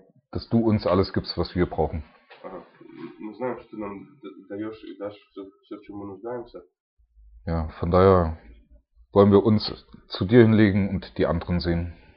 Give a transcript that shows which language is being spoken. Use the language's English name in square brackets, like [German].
[German] Dass du uns alles gibst, was wir brauchen. [Russian] Мы знаем, что ты нам даешь и дашь все, в чем мы нуждаемся. [German] Ja, von daher wollen wir uns zu dir hinlegen und die anderen sehen.